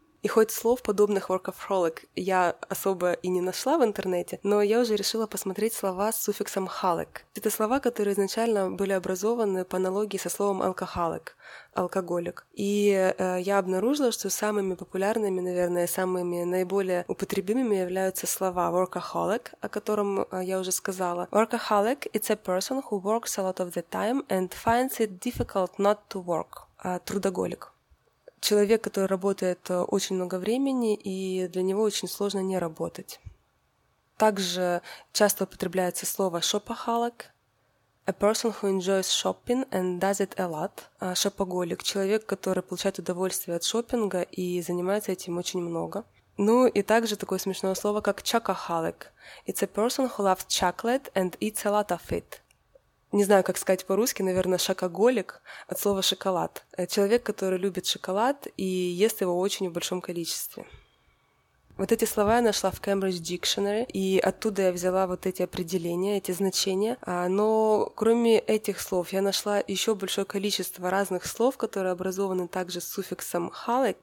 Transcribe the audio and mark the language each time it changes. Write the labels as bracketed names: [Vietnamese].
[Russian] И хоть слов, подобных workaholic, я особо и не нашла в интернете, но я уже решила посмотреть слова с суффиксом holic. Это слова, которые изначально были образованы по аналогии со словом alcoholic, алкоголик. И я обнаружила, что самыми популярными, наверное, самыми наиболее употребимыми являются слова workaholic, о котором я уже сказала. [English] Workaholic – it's a person who works a lot of the time and finds it difficult not to work. [Russian] Трудоголик. Человек, который работает очень много времени, и для него очень сложно не работать. Также часто употребляется слово [English] shopaholic, a person who enjoys shopping and does it a lot. [Russian] Шопоголик — человек, который получает удовольствие от шопинга и занимается этим очень много. Ну и также такое смешное слово, как chocoholic. [English] It's a person who loves chocolate and eats a lot of it. [Russian] Не знаю, как сказать по-русски, наверное, шокоголик от слова шоколад. Человек, который любит шоколад и ест его очень в большом количестве. Вот эти слова я нашла в Cambridge Dictionary, и оттуда я взяла вот эти определения, эти значения. Но кроме этих слов, я нашла еще большое количество разных слов, которые образованы также с суффиксом holic.